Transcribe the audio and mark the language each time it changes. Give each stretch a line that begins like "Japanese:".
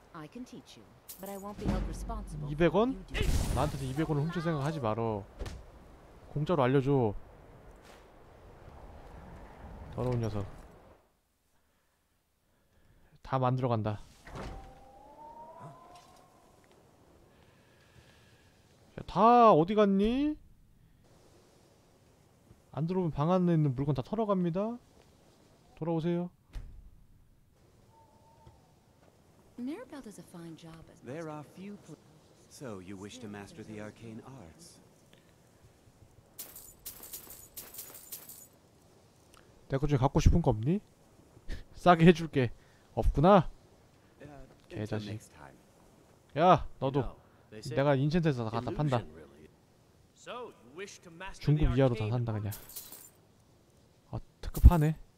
English: I can teach you, but I won't be held responsible.
Korean: 200원? 나한테 200원을 훔칠 생각 하지 마라. 공짜로 알려줘. 더러운 녀석. 다 만들어 간다. 야, 다 어디 갔니? 안 들어오면 방 안에 있는 물건 다 털어갑니다. 돌아오세요.
English: Mirabelle does a fine job. There are few. So you wish to master the arcane arts?
Korean: 내 거 중에 갖고 싶은 거 없니? 싸게 해줄게. 없구나. 개자식. 야, 너도. 내가 인첸트에서 다 갖다 판다. 중급 이하로 다 산다 그냥. 아, 특급하네.